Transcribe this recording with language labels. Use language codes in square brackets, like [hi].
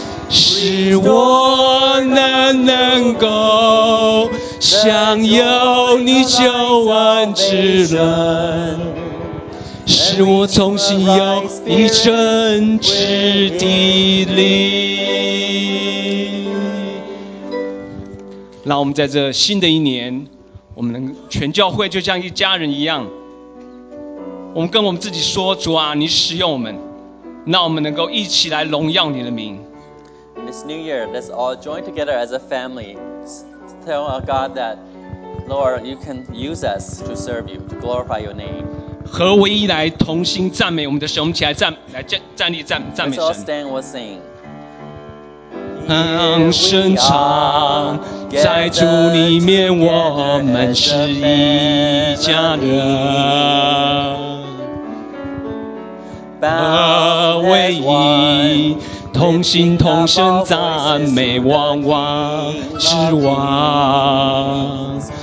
[zh] 使我能够享有你救恩之乐，使我重新有一真挚的灵。让我们在这新的一年，我们能全教会就像一家人一样，我们跟我们自己说，主啊，你使用我们，让我们能够一起来荣耀你的名。 [en] In this new year, let's all join together as a family. Tell our God that, Lord, you can use us to serve you, to glorify your name. [zh] 合为一来同心赞美我们的神，我们起来站，来站立站，赞美神。当生长在主里面，我们是一家人，合为一同心同声赞美万王之王。